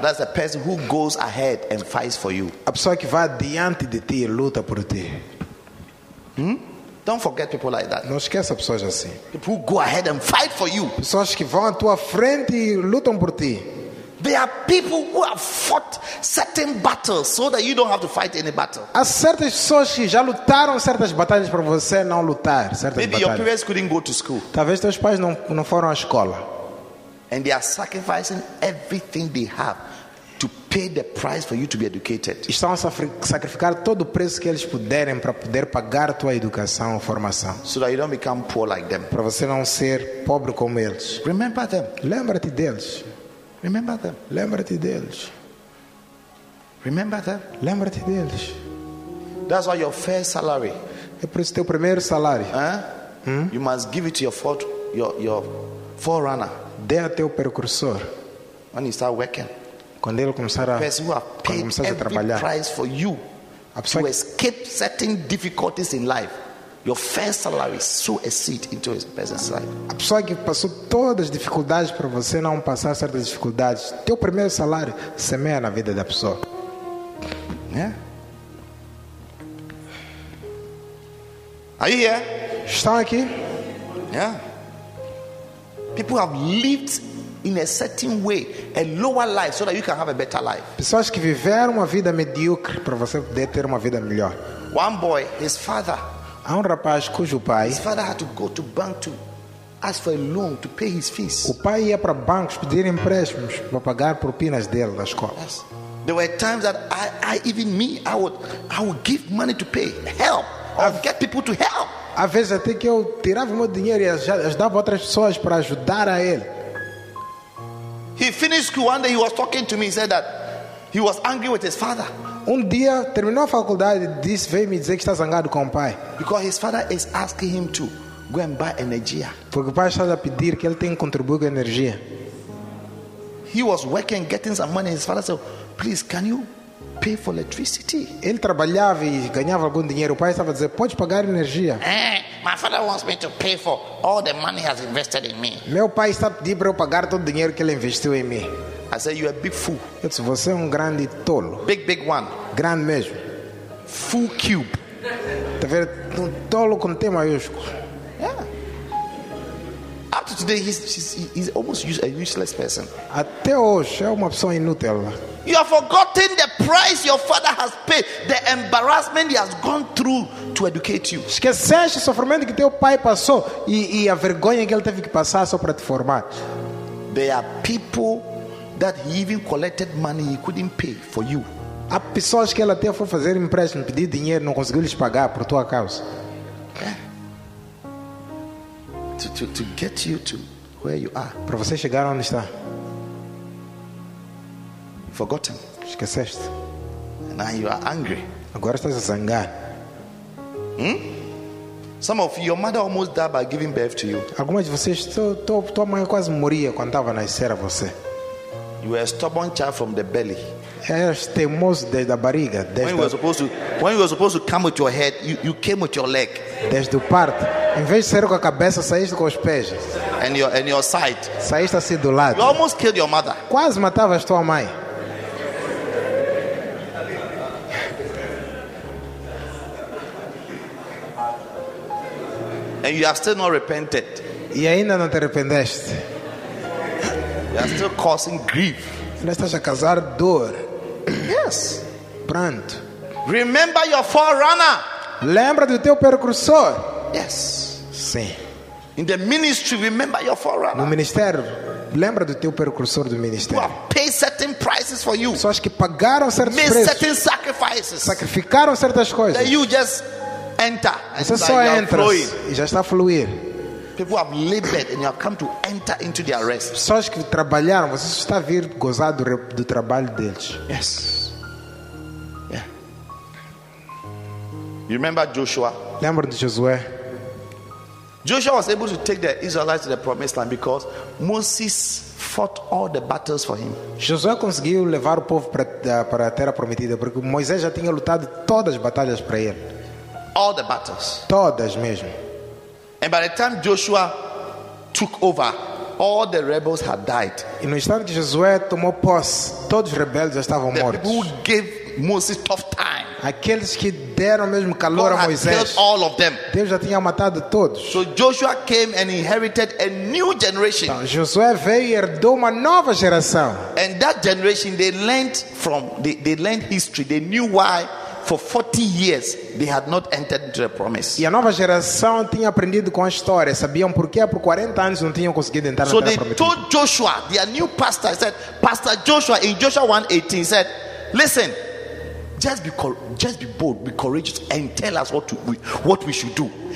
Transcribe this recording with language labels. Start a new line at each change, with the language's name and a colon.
English: That's a person who goes ahead and fights for you.
Portuguese: A pessoa que vai diante de ti e luta por ti.
English: Don't forget people like that.
Portuguese: Não esqueça pessoas assim.
English: People who go ahead and fight for you.
Portuguese: Pessoas que vão à tua frente e lutam por ti.
English: There are people who have fought certain battles so that you don't have to fight any battle.
Portuguese: Há certas pessoas que já lutaram certas batalhas para você não lutar certas
English: maybe Maybe your parents couldn't go to school.
Portuguese: Talvez teus pais não foram à escola.
English: And they are sacrificing everything they have to pay the price for you to be educated.
Portuguese: Estão a sacrificar todo o preço que eles puderem para poder pagar a tua educação, formação.
English: So that you don't become poor like them.
Portuguese: Para você não ser pobre como eles.
English: Remember them.
Portuguese: Lembra-te deles.
English: Remember them.
Portuguese: Lembra-te deles.
English: Remember them.
Portuguese: Lembra-te deles.
English: That's why your first salary.
Portuguese: É por isso teu primeiro salário.
English: You must give it to your forerunner.
Portuguese: Dê a teu precursor.
English: When you start working.
Portuguese: Quando ele começar a trabalhar,
English: price for you
Portuguese: a pessoa
English: to escape certain difficulties in life, your first salary sow a seed into his person's life.
Portuguese: A pessoa que passou todas as dificuldades para você não passar certas dificuldades, teu primeiro salário semeia na vida da pessoa.
English: Yeah. Are you here?
Portuguese: Estão aqui?
English: Yeah. People have lived in a certain way, a lower life, so that you can have a better life.
Portuguese: Pessoas que viveram uma vida medíocre para você poder ter uma vida melhor.
English: One boy, his father.
Portuguese: Há um rapaz cujo pai.
English: His father had to go to bank to ask for a loan to pay his fees.
Portuguese: O pai ia para bancos pedir empréstimos para pagar propinas dele da escola.
English: Yes. There were times that I would give money to pay help or get people to help.
Portuguese: Às vezes até que eu tirava meu dinheiro e ajudava outras pessoas para ajudar a ele.
English: He finished school one day. He was talking to me. He said that he was angry with his father.
Portuguese: Um dia terminou a faculdade, disse, veio me dizer que está zangado com o pai.
English: Because his father is asking him to go and buy energia.
Portuguese: Porque o pai está a pedir que ele tenha que contribuir com energia.
English: He was working, getting some money. His father said, "Please, can you pay for electricity?"
Portuguese: Ele trabalhava e ganhava algum dinheiro. O pai estava a dizer, pode pagar energia?
English: My father wants me to pay for all the money he has invested in me.
Portuguese: Meu pai está a pedir para eu pagar todo o dinheiro que ele investiu em mim.
English: I said, "You are a big fool."
Portuguese: Eu disse, você é grande tolo.
English: Big, big one.
Portuguese: Grande mesmo.
English: Fool cube.
Portuguese: Está a ver, tolo com T maiúsculo.
English: Yeah. Up to today, he's almost a useless person.
Portuguese: Até hoje, é uma pessoa inútil.
English: You have forgotten the price your father has paid, the embarrassment he has gone through to educate you.
Portuguese: Esqueceste o sofrimento que teu pai passou e a vergonha que ele teve que passar só para te formar.
English: There are people that he even collected money he couldn't pay for you.
Portuguese: Há pessoas que ele até foi fazer empréstimo, pedir dinheiro, não conseguiu lhes pagar por tua causa.
English: To get you to where you are.
Portuguese: Para você chegar onde está.
English: Forgotten.
Portuguese: Esqueceste.
English: Now you are angry.
Portuguese: Agora estás a zangar.
English: Some of your mother almost died by giving birth to you.
Portuguese: Algumas de vocês, tua mãe quase morria quando estava a nascer a você.
English: You were a stubborn child from the belly.
Portuguese: Eras teimoso desde a barriga.
English: When you were supposed to come with your head, you came with your leg.
Portuguese: Desde o parto. Em vez de sair com a cabeça, saíste com os pés.
English: And your side.
Portuguese: Saíste assim do lado.
English: You almost killed your mother.
Portuguese: Quase matavas tua mãe.
English: And you are still not repented.
Portuguese: E ainda não te arrependeste.
English: You are still causing grief.
Portuguese: Ainda estás a causar dor.
English: Yes.
Portuguese: Pronto.
English: Remember your forerunner.
Portuguese: Lembra do teu percursor.
English: Yes.
Portuguese: Sim.
English: In the ministry, remember your forerunner.
Portuguese: No ministério, lembra do teu percursor do ministério.
English: Who have paid certain prices for you.
Portuguese: Pessoas que pagaram certos preços.
English: Made certain sacrifices.
Portuguese: Sacrificaram certas coisas.
English: That you just enter.
Portuguese: Você só entra e já está a fluir.
English: People have labored and you have come to enter into their rest.
Portuguese: Pessoas que trabalharam, você está a vir gozar do trabalho deles.
English: Yes. Yeah. You remember Joshua?
Portuguese: Lembra de Josué?
English: Joshua was able to take the Israelites to the promised land because Moses fought all the battles for him.
Portuguese: Josué conseguiu levar o povo para a terra prometida porque Moisés já tinha lutado todas as batalhas para ele.
English: All the battles.
Portuguese: Todas mesmo.
English: And by the time Joshua took over, all the rebels had died.
Portuguese: E no instante que Josué tomou posse, todos os rebeldes já estavam mortos.
English: The people who gave Moses tough time.
Portuguese: Aqueles que deram mesmo calor
English: God
Portuguese: a Moisés.
English: Had killed all of them.
Portuguese: Deus já tinha matado todos.
English: So Joshua came and inherited a new generation.
Portuguese: Então, Josué veio e herdou uma nova geração.
English: And that generation, they learned history. They knew why. For 40 years, they had not entered into the promise.
Portuguese: E a nova geração tinha aprendido com a história, sabiam porquê, por 40 anos não tinham conseguido entrar na terra prometida.
English: So they told Joshua, their new pastor, said, "Pastor Joshua, in Joshua 1:18, said, listen, just be bold, be courageous, and tell us what we should do.